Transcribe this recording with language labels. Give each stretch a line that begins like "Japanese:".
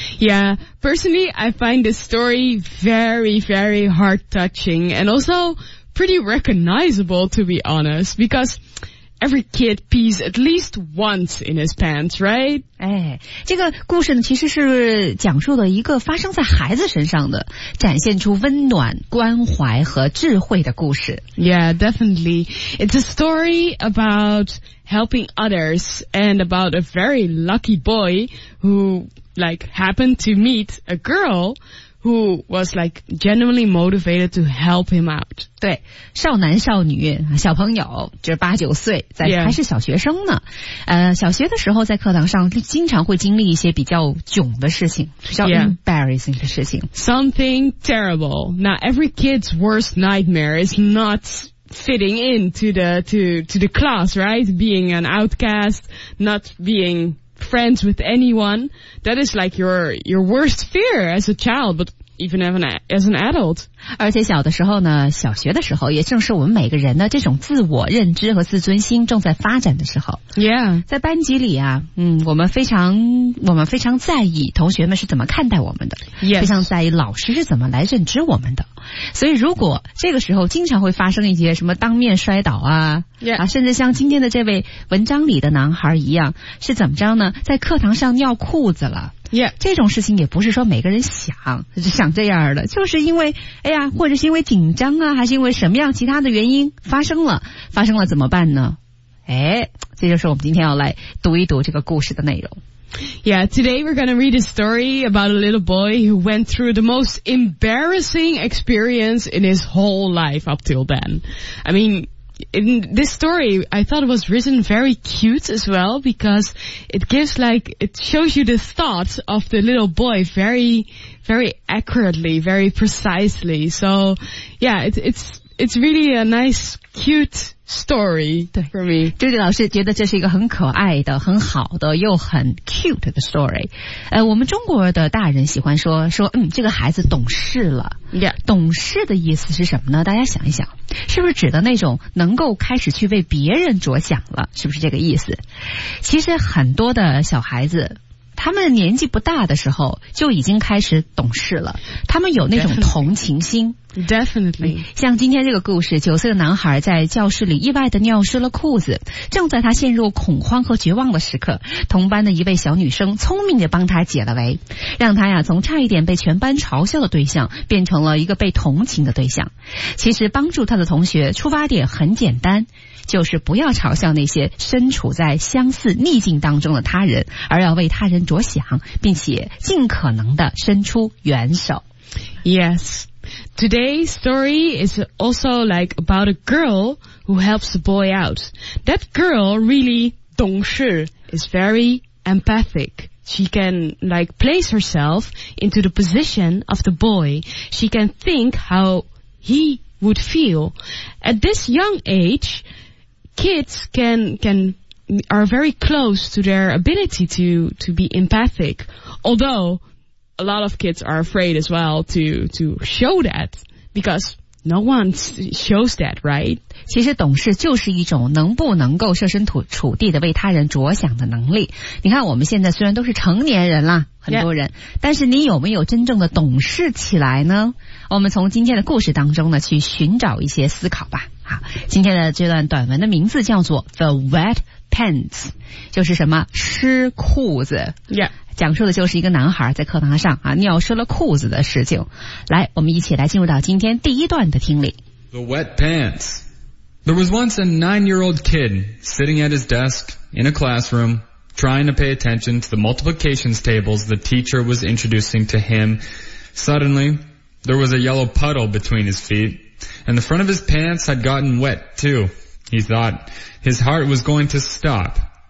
English: Yeah, personally I find this story very very heart touching and also pretty recognizable to be honest, becauseEvery kid pees at least once in his pants, right?
Chinese: 哎，这个故事呢，其实是讲述了一个发生在孩子身上的，展现出温暖、关怀和智慧的故事。
English: Yeah, definitely. It's a story about helping others and about a very lucky boy who, like, happened to meet a girl. Who was like genuinely motivated to help him out.
Chinese: 对，少男少女，小朋友，就是八九岁，在、
English: yeah.
Chinese: 还是小学生呢。小学的时候在课堂上经常会经历一些比较囧的事情，比较 embarrassing、
English: yeah.
Chinese: 的事情。
English: Something terrible. Now every kid's worst nightmare is not... fitting in to the class, right? Being an outcast, not being friends with anyone. That is like your worst fear as a child, but even as an adult.
Chinese: 而且小的时候呢，小学的时候也正是我们每个人的这种自我认知和自尊心正在发展的时候。
English: Yeah.
Chinese: 在班级里啊，我们非常在意同学们是怎么看待我们的。
English: Yes.
Chinese: 非常在意老师是怎么来认知我们的。所以如果这个时候经常会发生一些什么当面摔倒
English: yeah.
Chinese: 啊，甚至像今天的这位文章里的男孩一样，是怎么着呢？在课堂上尿裤子了。
English: Yeah.
Chinese: 这种事情也不是说每个人想这样的，就是因为哎呀，或者是因为紧张啊，还是因为什么样其他的原因发生了？发生了怎么办呢？哎，这就是我们今天要来读一读这个故事的内容。
English: Yeah, today we're going to read a story about a little boy who went through the most embarrassing experience in his whole life up till then. I mean, in this story, I thought it was written very cute as well because it shows you the thoughts of the little boy very, very accurately, very precisely. So, yeah, it's really a nice, cute story for me.
Chinese: 对，朱迪老师觉得这是一个很可爱的、很好的又很 cute 的 story。我们中国的大人喜欢说，这个孩子懂事了。
English: Yeah.
Chinese: 懂事的意思是什么呢？大家想一想，是不是指的那种能够开始去为别人着想了？是不是这个意思？其实很多的小孩子，他们年纪不大的时候就已经开始懂事了，他们有那种同情心。
English: Definitely.
Chinese: 像今天这个故事，九岁的男孩在教室里意外的尿湿了裤子，正在他陷入恐慌和绝望的时刻，同班的一位小女生聪明地帮他解了围，让他呀从差一点被全班嘲笑的对象变成了一个被同情的对象。其实帮助他的同学出发点很简单，就是不要嘲笑那些身处在相似逆境当中的他人，而要为他人着想，并且尽可能的伸出援手。
English: Yes, today's story is also like about a girl who helps a boy out. That girl really 懂事 is very empathic. She can like place herself into the position of the boy. She can think how he would feel. At this young age,kids are very close to their ability to be empathic, although a lot of kids are afraid as well to show that, because no one shows that, right?
Chinese: 其实懂事就是一种能不能够设身处地的为他人着想的能力。你看我们现在虽然都是成年人啦，很多人、
English: yeah.
Chinese: 但是你有没有真正的懂事起来呢？我们从今天的故事当中呢去寻找一些思考吧。好，今天的这段短文的名字叫做 The Wet Pants, 就是什么湿裤子。
English: Yeah.
Chinese: 讲述的就是一个男孩在课堂上啊尿湿了裤子的事情。来，我们一起来进入到今天第一段的听力。
English: The Wet Pants. There was once a 9-year-old kid sitting at his desk in a classroom trying to pay attention to the multiplications tables the teacher was introducing to him. Suddenly, there was a yellow puddle between his feet. And the front of his pants had gotten wet, too. He thought his heart was going to stop.